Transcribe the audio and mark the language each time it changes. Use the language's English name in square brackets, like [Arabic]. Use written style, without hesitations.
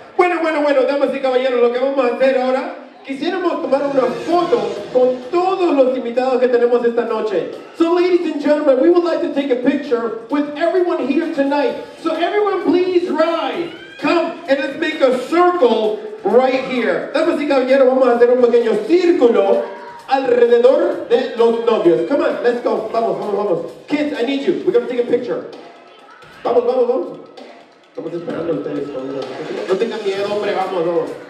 [Spanish] Bueno, bueno, bueno, damas y caballeros, lo que vamos a hacer ahora, quisiéramos tomar una foto con todos los invitados que tenemos esta noche. [English] So ladies and gentlemen, we would like to take a picture with everyone here tonight. So everyone please rise. Come and let's make a circle right here. [Spanish] Damas y caballeros, vamos a hacer un pequeño círculo alrededor de los novios. [English] Come on, let's go. [Spanish] Vamos, vamos, vamos. [English] Kids, I need you. We're going to take a picture. [Spanish] Vamos, vamos, vamos. Estamos esperando a ustedes. No tengan miedo, hombre. Vamos, vamos.